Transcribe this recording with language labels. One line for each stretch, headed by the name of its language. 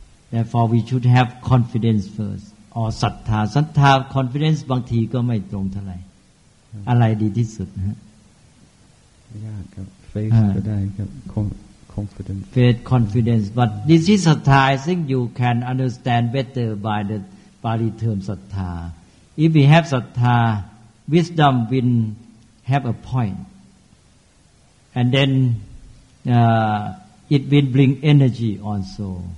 English: Therefore, we should have confidence first, or sattha.
Thai: Sattha, confidence, บางทีก็ไม่ตรงเท่าไหร่อะไรดีที่สุดฮะ ยากครับ faith ก็ได้ครับ confidence
English: faith confidence but this is sattha I think you can understand better by the Pali term sattha if we have sattha wisdom will have a point and thenit will bring energy also.